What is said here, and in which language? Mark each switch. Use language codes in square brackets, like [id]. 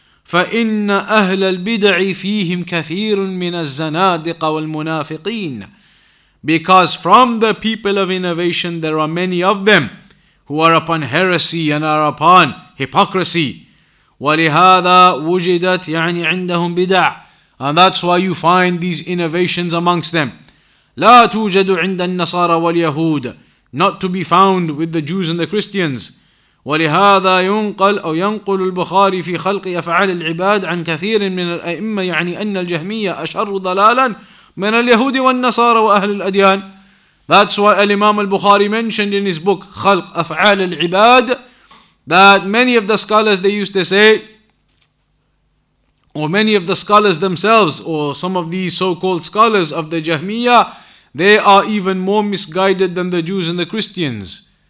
[ar] فَإِنَّ أَهْلَ الْبِدْعِ فِيهِمْ كَثِيرٌ مِنَ الزَّنَادِقَ وَالْمُنَافِقِينَ. [en] Because from the people of innovation there are many of them who are upon heresy and are upon hypocrisy. [ar] وَلِهَذَا وُجِدَتْ يعني عِنْدَهُمْ بِدَعْ. [en] And that's why you find these innovations amongst them. [ar] لا توجد عند النصارى واليهود. [en] Not to be found with the Jews and the Christians. [ar] ولهذا ينقل أو ينقل البخاري في خلق أفعال العباد عن كثير من الأئمة يعني أن الجهمية أشر ضلالا من اليهود والنصارى وأهل الأديان. [en] That's why Imam al-Bukhari mentioned in his book خلق أفعال العباد that many of the scholars, they used to say, or many of the scholars themselves, or some of these so-called scholars of the Jahmiyyah, they are even more misguided than the Jews and the Christians.